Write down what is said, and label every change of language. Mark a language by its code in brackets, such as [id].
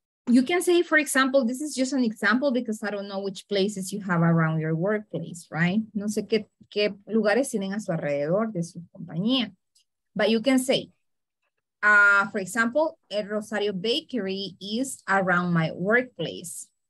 [en] You can say, for example, this is just an example because I don't know which places you have around your workplace, right? [es] No sé qué lugares tienen a su alrededor de su compañía. [en] But you can say, for example, El Rosario Bakery is around my workplace.